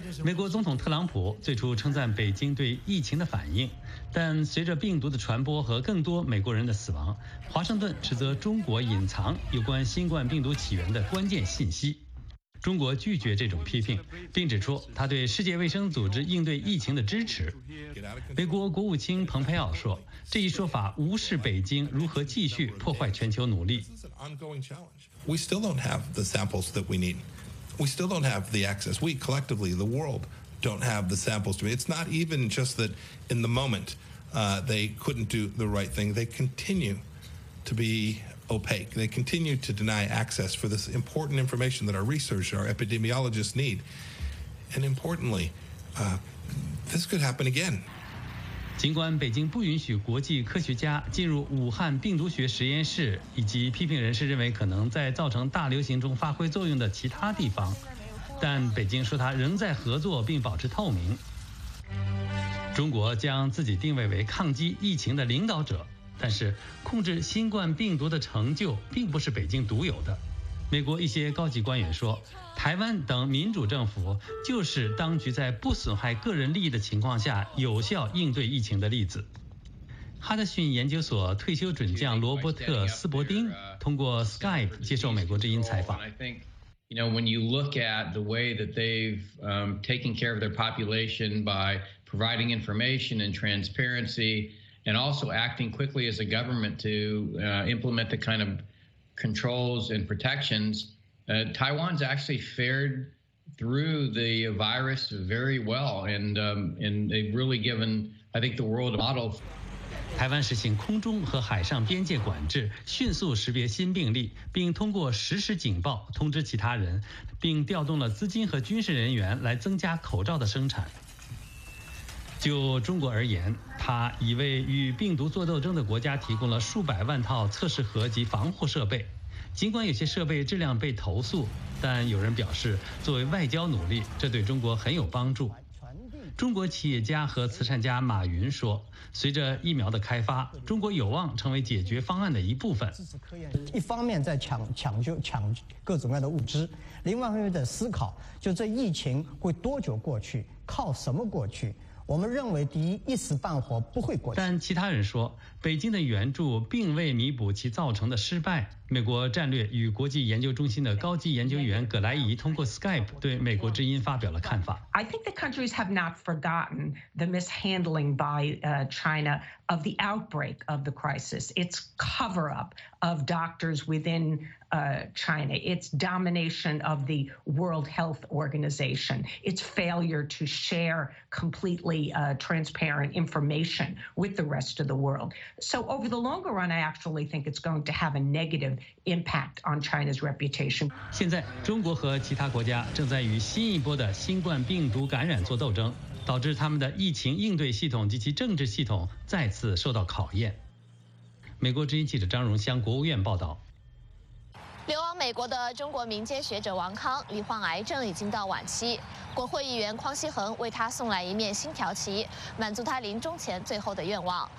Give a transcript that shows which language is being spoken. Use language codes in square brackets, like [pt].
[zh] 美国总统特朗普最初称赞北京对疫情的反应，但随着病毒的传播和更多美国人的死亡，华盛顿斥责中国隐藏有关新冠病毒起源的关键信息。中国拒绝这种批评，并指出他对世界卫生组织应对疫情的支持。美国国务卿蓬佩奥说，这一说法无视北京如何继续破坏全球努力。 [en] We still don't have the samples that we need. We still don't have the access. We collectively, the world, don't have the samples. It's not even just that in the moment, they couldn't do the right thing. They continue to be. Opaque. They continue to deny access for this important information that our researchers, our epidemiologists need. And importantly, this could happen again. [zh] 尽管北京不允许国际科学家进入武汉病毒学实验室，以及批评人士认为可能在造成大流行中发挥作用的其他地方，但北京说它仍在合作并保持透明。中国将自己定位为抗击疫情的领导者。但是控制新冠病毒的成就并不是北京独有的。美国一些高级官员说，台湾等民主政府就是当局在不损害个人利益的情况下有效应对疫情的例子。哈德逊研究所退休准将罗伯特·斯伯丁通过 Skype 接受美国之音采访。 [en] You know, when you look at the way that they've taken care of their population by providing information and transparency,and also acting quickly as a government to implement the kind of controls and protections, Taiwan's actually fared through the virus very well, and they've really given, I think, the world a model. [zh] 台湾实行空中和海上边界管制，迅速识别新病例，并通过实时警报通知其他人，并调动了资金和军事人员来增加口罩的生产。就中国而言，它已为与病毒做斗争的国家提供了数百万套测试盒及防护设备。尽管有些设备质量被投诉，但有人表示，作为外交努力，这对中国很有帮助。中国企业家和慈善家马云说，随着疫苗的开发，中国有望成为解决方案的一部分。一方面在抢各种各样的物资，另外一方面在思考，就这疫情会多久过去，靠什么过去。我们认为第一，一时半会不会过去。但其他人说，北京的援助并未弥补其造成的失败。美国战略与国际研究中心的高级研究员葛莱仪通过 Skype 对美国之音发表了看法。 [en] I think the countries have not forgotten the mishandling by China of the outbreak of the crisis. It's cover up of doctors within China. It's domination of the World Health Organization. It's failure to share completely transparent information with the rest of the world. So over the longer run, I actually think it's going to have a negative impact on China's reputation. [zh] 现在中国和其他国家正在与新一波的新冠病毒感染做斗争，导致他们的疫情应对系统及其政治系统再次受到考验。美国之音记者张荣香，国务院报道。流亡美国的中国民间学者王康罹患癌症已经到晚期，国会议员匡熙恒为他送来一面新条旗，满足他临终前最后的愿望。